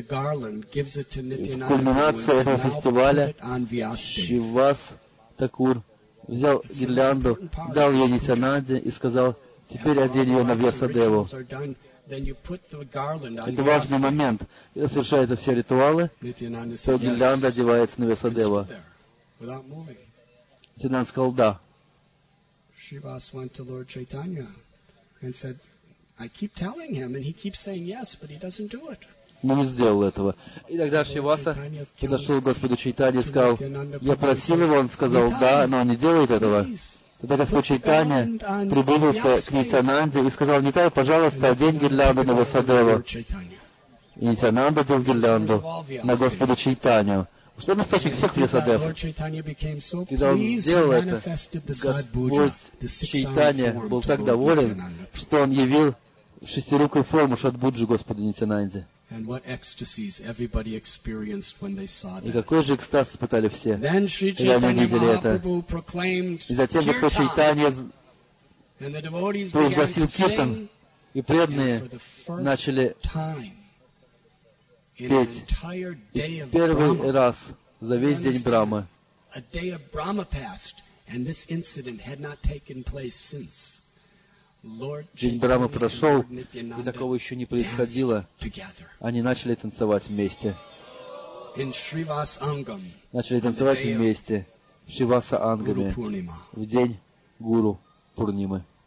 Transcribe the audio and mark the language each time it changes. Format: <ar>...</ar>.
<ru>Кульминация этого фестиваля Шривас Такур взял гирлянду, дал ее Нитянанде и сказал, теперь одень ее на Вьясадеву. Это важный момент. Когда совершаются все ритуалы, то гирлянда одевается на Вьясадеву. Нитянанда сказал, да.</ru> <en>Шривас went to Lord Chaitanya and said, I keep telling him, and he keeps saying yes, but he doesn't do it.</en> <ru>Но не сделал этого. И тогда Шриваса подошел к Господу Чайтанье и сказал, я просил его, он сказал, да, но он не делает этого. Тогда Господь Чайтанья приблизился к Нитянанде и сказал, Нитая, пожалуйста, одень гирлянду на Васадеву. И Нитянанда дел гирлянду на Господа Чайтанью. Что он источник всех Васадев? Когда он сделал это, Господь Чайтанья был так доволен, что он явил шестирукую форму Шатбуджу Господу Нитянанде.</ru> <en>And what ecstasies everybody experienced when they saw that.</en> <ru>И какой же экстаз испытали все, когда они видели это. И затем Господь Чайтанья провозгласил киртан, и преданные начали петь. И первый раз за весь день Брахмы.</ru> <en>A day of Brahma passed, and this incident had not taken place since.</en> <ru>День Брахмы прошел, и такого еще не происходило. Они начали танцевать вместе. Начали танцевать вместе в Шривас Ангаме, в день Гуру Пурнимы.</ru>